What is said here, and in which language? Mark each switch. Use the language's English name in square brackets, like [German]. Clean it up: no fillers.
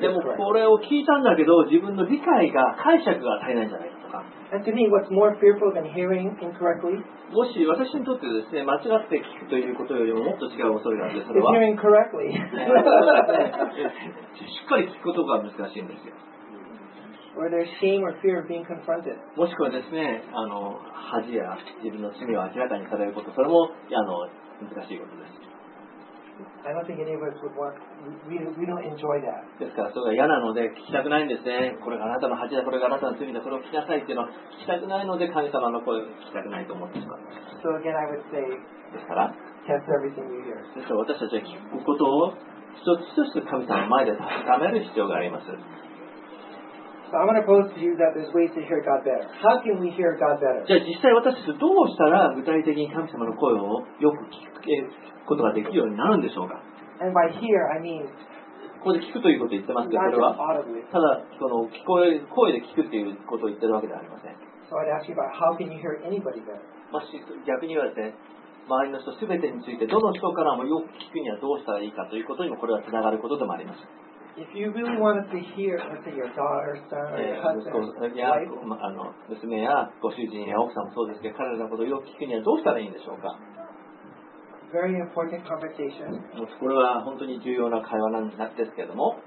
[Japanese] でもこれを聞いたんだけど自分の理解が解釈が足りないんじゃないかとか。 [English] And to me, what's more fearful than hearing incorrectly? [Japanese] もし私にとってですね、間違って聞くということよりももっと違う恐れがあるんです。それは。 [English] Is hearing correctly? [Japanese] しっかり聞くことが難しいんですよ。 [English] Or there's shame or fear of being confronted. [Japanese] もしくはですね、あの恥や自分の罪を明らかにされること、それもあの難しいことです。 [English] I don't think any of us would want. We don't enjoy that. [Japanese] ですからそれが嫌なので聞きたくないんですね。これがあなたの恥だ、これがあなたの罪だ、これを聞きなさいっていうのは聞きたくないので神様の声を聞きたくないと思ってしまう。 [English] So again, I would say. [Japanese] ですから。 [English] Test everything you hear. [Japanese] ですから私たちは聞くことを一つ一つ神様の前で確かめる必要があります。 [English] So I'm going to pose to you that there's ways to hear God better. How can we hear God better? [Japanese] じゃあ実際私たちどうしたら具体的に神様の声をよく聞くことができるようになるんでしょうか。 [English] And by hear, I mean, [Japanese] ここで聞くということを言ってますけど、これはただその聞こえ声で聞くということを言ってるわけではありません。 [English] So I'd ask you about how can you hear anybody better? [Japanese] まあ、逆に言われて周りの人すべてについてどの人からもよく聞くにはどうしたらいいかということにもこれはつながることでもあります。 [English] If you really wanted to hear, let's say your daughter, son, or husband, wife, [Japanese] あの娘やご主人や奥さんもそうですけど、彼らのことをよく聞くにはどうしたらいいんでしょうか。 [English] Very important conversation. [Japanese] これは本当に重要な会話なんですけれども、